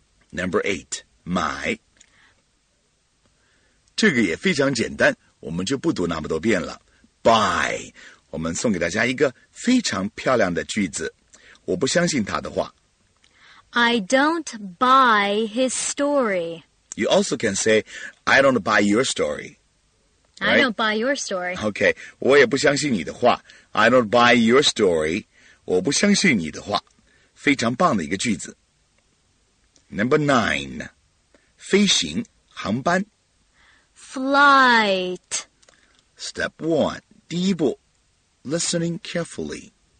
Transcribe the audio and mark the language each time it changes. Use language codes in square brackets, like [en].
[zh] Number eight, 买，这个也非常简单，我们就不读那么多遍了。 Buy, 我们送给大家一个非常漂亮的句子，我不相信他的话。 [en] I don't buy his story. You also can say, I don't buy your story. I、right? don't buy your story. [zh] Okay, 我也不相信你的话。 [en] I don't buy your story. [zh] 我不相信你的话。非常棒的一个句子。 [en] Number nine, 飞行航班。 Flight. Step one, [zh] 第一步 [en] listening carefully.